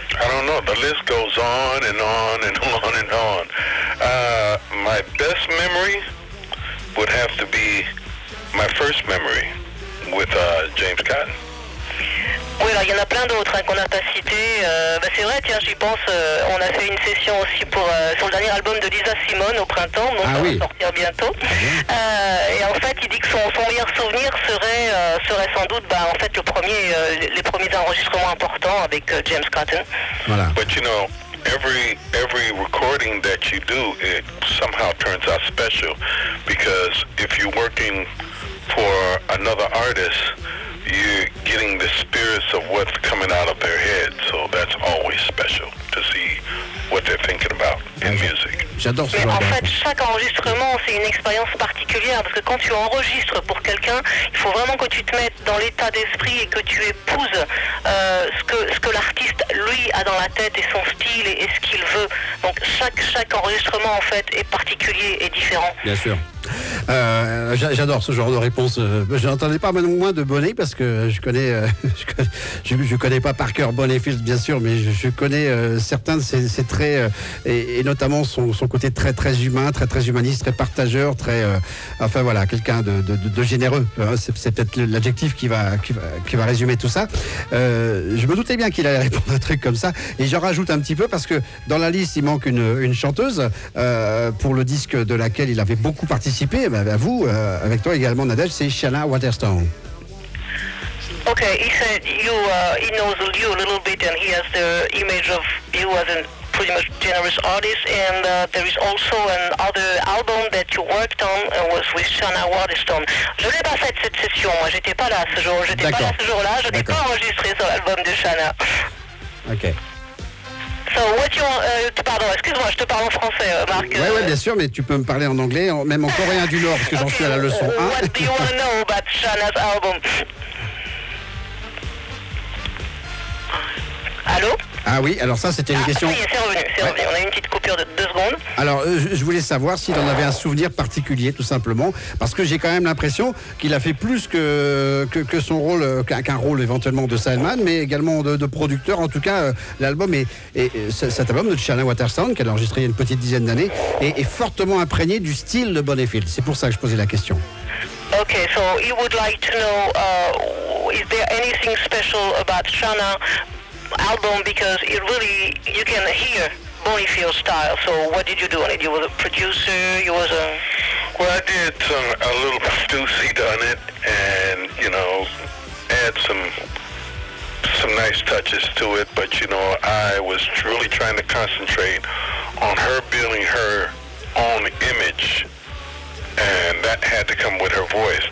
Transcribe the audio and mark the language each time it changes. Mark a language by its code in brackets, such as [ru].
[en] I don't know, the list goes on and on and on and on. My best memory would have to be my first memory. With James Cotton. [fr] Oui, alors il y en a plein d'autres qu'on n'a pas cités. C'est vrai, tiens, j'y pense, on a fait une session aussi sur le dernier album de Lisa Simone au printemps, donc ça va sortir bientôt. Mmh. Et en fait, il dit que son meilleur souvenir serait sans doute en fait, les premiers enregistrements importants avec James Cotton. Voilà. [en] But you know, every recording that you do, it somehow turns out special because if you're working for another artist, you're getting the spirits of what's coming out of their head. So that's always special to see what they're thinking about in music. [fr] J'adore ce genre. Mais en fait, chaque enregistrement, c'est une expérience particulière parce que quand tu enregistres pour quelqu'un, il faut vraiment que tu te mettes dans l'état d'esprit et que tu épouses ce que l'artiste, lui, a dans la tête et son style et ce qu'il veut. Donc chaque enregistrement, en fait, est particulier et différent. Bien sûr. J'adore ce genre de réponse. Je n'entendais pas moins de Bonnet parce que je connais pas par cœur Bonnet Field, bien sûr, mais je connais certains de ses traits et notamment son côté très très humain, très très humaniste, très partageur, très enfin voilà, quelqu'un de généreux. C'est peut-être l'adjectif qui va résumer tout ça. Je me doutais bien qu'il allait répondre à un truc comme ça. Et j'en rajoute un petit peu parce que dans la liste il manque une chanteuse pour le disque de laquelle il avait beaucoup participé. À vous, avec toi également, Nadège, c'est Shanna Waterstone. [en] Okay, he said he knows you a little bit and he has the image of you as a pretty much generous artist, and there is also an other album that you worked on was with Shanna Waterstone. [fr] Je n'ai pas fait cette session, moi, j'étais pas là ce jour, je n'ai pas enregistré sur l'album de Shanna. [en] Okay. So what you pardon, [fr] excuse-moi, je te parle en français, Marc. Ouais, bien sûr, mais tu peux me parler en anglais, même en coréen du Nord, parce que j'en suis à la leçon 1. [en] What do you want to know about Shanna's album? [fr] Allô? Ah oui, alors ça c'était une question. Ah, oui, c'est revenu. On a eu une petite coupure de 2 secondes. Alors, je voulais savoir s'il en avait un souvenir particulier, tout simplement, parce que j'ai quand même l'impression qu'il a fait plus que son rôle, qu'un rôle éventuellement de Sandman, mais également de producteur. En tout cas, l'album et cet album de Shanna Waterstone, qu'elle a enregistré il y a une petite dizaine d'années, est fortement imprégné du style de Bonnet Field. C'est pour ça que je posais la question. [en] Ok, so he would like to know, is there anything special about Shanna album, because it really, you can hear Bonnet Field style. So what did you do on it? You were a producer, you was a... Well, I did a little producey done it, and you know, add some nice touches to it, but you know, I was truly trying to concentrate on her building her own image, and that had to come with her voice.